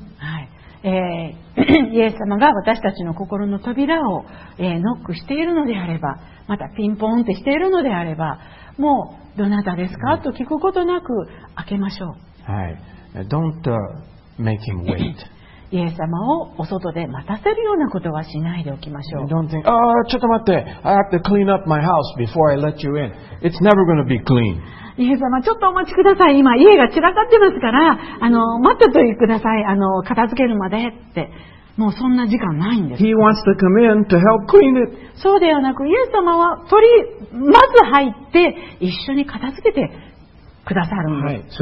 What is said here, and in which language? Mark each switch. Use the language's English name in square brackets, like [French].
[Japanese] はい、イエス様が私たちの心の扉を、ノックしているのであれば、またピンポンってしているのであれば、もうどなたですか、うん、と聞くことなく開けましょう、 [English] はい、Don't make him wait. [Japanese] イエス様をお外で待たせるようなことはしないでおきましょう。 [English] Don't think, ah, [Japanese] ちょっと待って [English] I have to clean up my house before I let you in. It's never going to be clean. [Japanese] イエス様ちょっとお待ちください、今家が散らかってますから待っておいてください、片付けるまでって。もうそんな時間ないんです。 [English] He wants to come in to help clean it. [Japanese] そうではなく、イエス様はとりまず入って一緒に片付けてくださるんです。